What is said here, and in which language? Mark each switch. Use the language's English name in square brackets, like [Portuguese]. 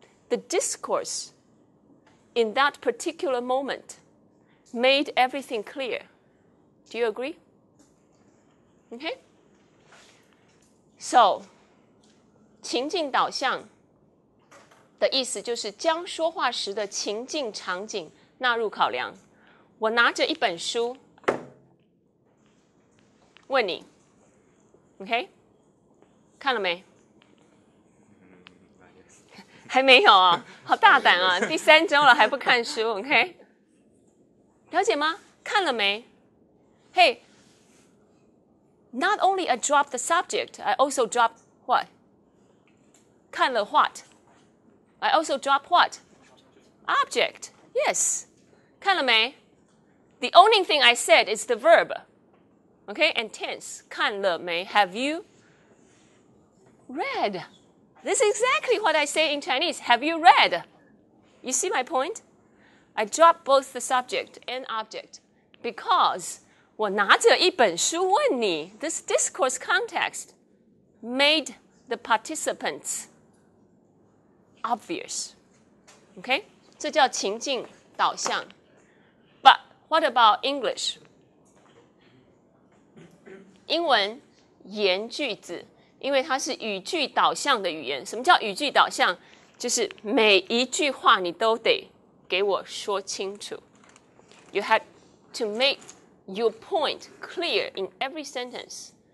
[English] The discourse in that particular moment made everything clear. Do you agree? Okay? [Chinese] So, 情境导向的意思就是将说话时的情境场景纳入考量。我拿着一本书问你 Okay? 看了没？还没有啊，好大胆啊！第三周了还不看书 ，OK？了解吗？看了没 [English] ？Hey, not only I drop the subject, I also drop what? [Chinese] 看了 [English] what? I also drop what? Object. Yes. [Chinese] 看了没 [English] ？The only thing I said is the verb. OK, and tense. [Chinese] 看了没 [English] ？Have you read? This is exactly what I say in Chinese. Have you read? You see my point? I drop both the subject and object because [Chinese] 我拿着一本书问你 [English] This discourse context made the participants obvious. Okay? [Chinese] 这叫情境导向 [English] But what about English? [Chinese] 英文言句子因为它是语句导向的语言。什么叫语句导向？就是每一句话你都得给我说清楚。 [English] You have to make your point clear in every sentence.